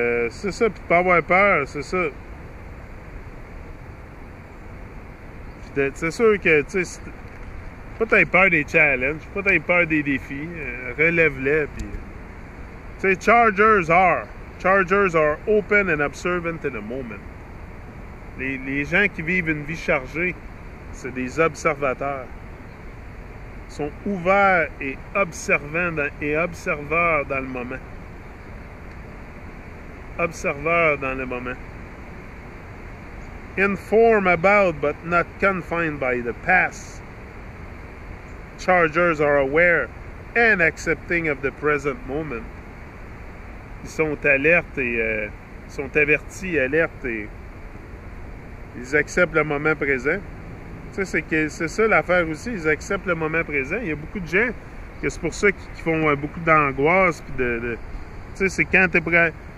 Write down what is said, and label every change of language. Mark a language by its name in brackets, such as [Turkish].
[French] C'est ça, puis pas avoir peur, c'est ça. C'est sûr que... T'sais, pas t'aies peur des challenges, pas t'aies peur des défis, relève-les, puis... Tu sais, [English] chargers are open and observant in the moment. [French] Les gens qui vivent une vie chargée, c'est des observateurs. Ils sont ouverts et observeurs dans le moment. Observeurs dans le moment. [English] Informed about, but not confined by the past. Chargers are aware and accepting of the present moment. [French] Ils sont alertes et sont avertis, alertes et ils acceptent le moment présent. Tu sais, c'est ça l'affaire aussi, ils acceptent le moment présent. Il y a beaucoup de gens que c'est pour ça qu'ils font beaucoup d'angoisse puis de tu sais, c'est quand t'es prêt.